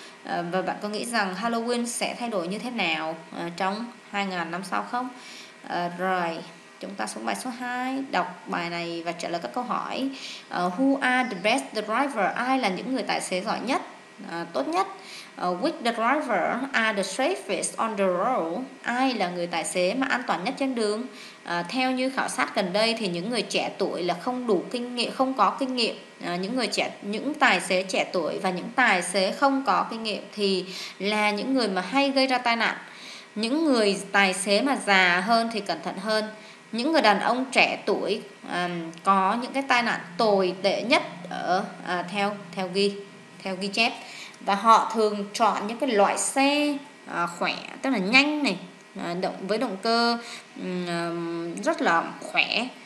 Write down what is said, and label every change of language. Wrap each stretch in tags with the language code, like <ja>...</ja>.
<vi>Và bạn có nghĩ rằng Halloween sẽ thay đổi như thế nào trong 2000 năm sau không? Rồi, chúng ta xuống bài số 2, đọc bài này và trả lời các câu hỏi.</vi> <en>Who are the best driver?</en> <vi>Ai là những người tài xế giỏi nhất, tốt nhất?</vi> <en>Which driver are the safest on the road?</en> <vi>Ai là người tài xế mà an toàn nhất trên đường? Theo như khảo sát gần đây thì những người trẻ tuổi là không đủ kinh nghiệm, không có kinh nghiệm. Những tài xế trẻ tuổi và những tài xế không có kinh nghiệm thì là những người mà hay gây ra tai nạn. Những người tài xế mà già hơn thì cẩn thận hơn. Những người đàn ông trẻ tuổi có những cái tai nạn tồi tệ nhất ở theo ghi chép, và họ thường chọn những cái loại xe khỏe, tức là nhanh này, động với động cơ rất là khỏe.</vi>